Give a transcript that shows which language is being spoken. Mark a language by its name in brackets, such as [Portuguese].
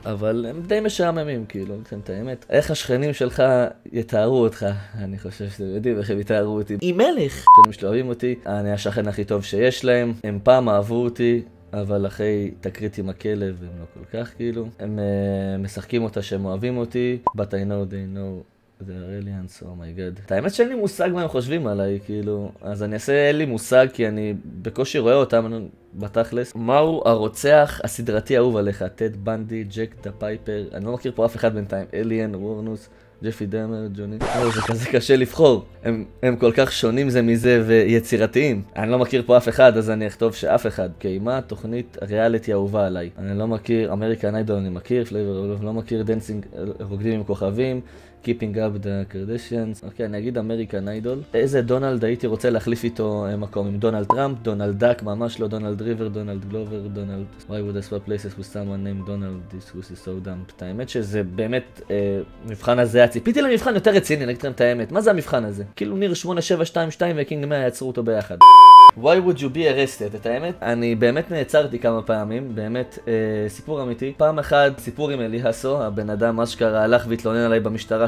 [Hebrew] אבל הם די משעממים, כאילו, אתם את האמת. איך השכנים שלך יתארו אותך? אני חושב שאתם יודעים איך הם יתארו אותי. היא מלך! השכנים שלו אוהבים אותי, אני השכן הכי טוב שיש להם. הם פעם אהבו אותי, אבל אחרי תקרית עם הכלב הם לא כל כך, כאילו. הם משחקים אותה שהם אוהבים אותי. [English] But I know they know the aliens, oh my god. [Hebrew] את האמת שאין לי מושג מה הם חושבים עליי, כאילו. אז אני אעשה, אין לי מושג, כי אני בקושי רואה אותם בתכלס. מהו הרוצח הסדרתי האהוב עליך? טד בנדי, ג'ק דה פייפר, אני לא מכיר פה אף אחד בינתיים. אליאן, וורנוס, ג'פי דאמר, ג'וני. זה כזה קשה לבחור. הם כל כך שונים זה מזה ויצירתיים. אני לא מכיר פה אף אחד, אז אני אכתוב שאף אחד. אוקיי, מה תוכנית ריאליטי אהובה עליי? אני לא מכיר, אמריקן איידול אני מכיר, פלייבר אוף, לא מכיר, דנסינג, רוקדים עם כוכבים, קיפינג אפ דה קרדשיאנס. אוקיי, אני אגיד אמריקן איידול. איזה דונלד הייתי רוצה להחליף איתו מקום? עם דונלד טראמפ, דונלד דאק, ממש לא, דונלד ריבר, דונלד גלובר, דונלד... [English] Why would I swap places with someone named Donald? This was so dumb. [Hebrew] את האמת שזה באמת, מבחן הזה, ציפיתי למבחן יותר רציני, נגיד לכם את האמת. מה זה המבחן הזה? כאילו ניר 8722 וקינג 100 יצרו אותו ביחד. [English] Why would you be arrested? [Hebrew] את האמת? אני באמת נעצרתי כמה פעמים, באמת, סיפור אמיתי. פעם אחת, סיפור עם אלי הסו, הבן אדם אשכרה הלך והתלונן עליי במשטרה